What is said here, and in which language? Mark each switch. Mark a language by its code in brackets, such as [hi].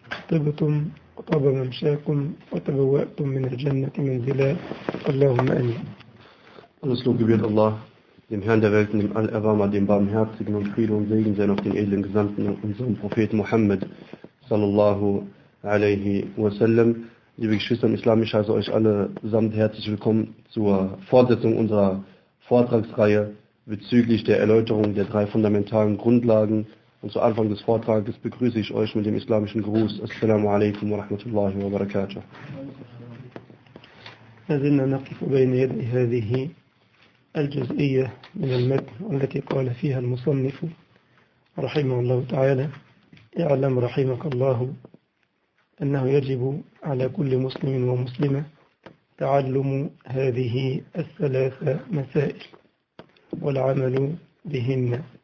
[ar] طبتم وطاب ممشاكم وتبوأتم من الجنة منزلا، اللهم آمين. [de] Alles Lobe gebührt Allah, dem Herrn der Welten, dem Al-Awama, dem Barmherzigen, und Friede und Segen sein auf den edlen Gesandten, unserem Propheten Muhammad, sallallahu alaihi wasallam. Liebe Geschwister im Islam, ich heiße euch alle samt herzlich willkommen zur Fortsetzung unserer Vortragsreihe bezüglich der Erläuterung der drei fundamentalen Grundlagen. Und zu Anfang des Vortrages begrüße ich euch mit dem islamischen Gruß. [ar] Assalamu alaikum wa rahmatullahi wa barakatuh. ما زلنا نقف بين يدي هذه الجزئية من المتن التي قال فيها المصنف رحمه الله تعالى: اعلم رحمك الله أنه يجب على كل مسلم ومسلمة تعلم هذه الثلاث مسائل والعمل بهن.